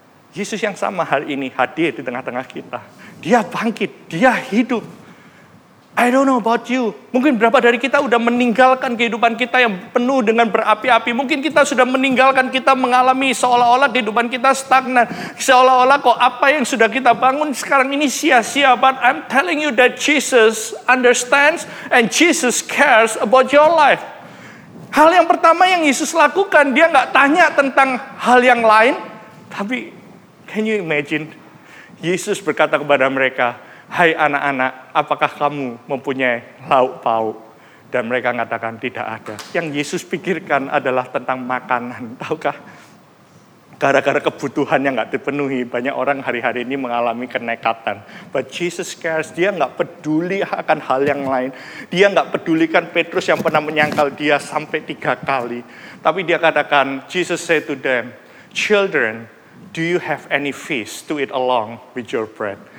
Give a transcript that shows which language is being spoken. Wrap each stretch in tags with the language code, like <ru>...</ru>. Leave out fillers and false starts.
<id>Yesus yang sama hari ini hadir di tengah-tengah kita. Dia bangkit, dia hidup.</id> <en>I don't know about you.</en> <id>Mungkin berapa dari kita sudah meninggalkan kehidupan kita yang penuh dengan berapi-api. Mungkin kita sudah meninggalkan, kita mengalami seolah-olah kehidupan kita stagnan. Seolah-olah kok apa yang sudah kita bangun sekarang ini sia-sia.</id> <en>But I'm telling you that Jesus understands and Jesus cares about your life.</en> <id>Hal yang pertama yang Yesus lakukan, dia gak tanya tentang hal yang lain. Tapi</id> <en>can you imagine?</en> <id>Yesus berkata kepada mereka, hai anak-anak, apakah kamu mempunyai lauk pauk? Dan mereka mengatakan tidak ada. Yang Yesus pikirkan adalah tentang makanan. Tahukah? Gara-gara kebutuhan yang gak dipenuhi, banyak orang hari-hari ini mengalami kenekatan.</id> <en>But Jesus cares,</en> <id>dia gak peduli akan hal yang lain. Dia gak pedulikan Petrus yang pernah menyangkal dia sampai 3 kali. Tapi dia katakan,</id> <en>Jesus said to them, children, do you have any fish to eat along with your bread?</en>